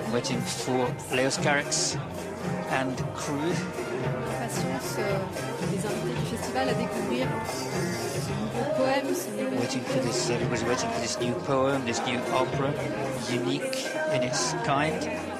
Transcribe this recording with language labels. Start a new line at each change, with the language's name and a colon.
English: I'm waiting for Leos Carax and crew.
French: Patience, les invités du festival à découvrir ce nouveau poème.
English: Everybody's waiting for this new poem, this new opera, unique in its kind.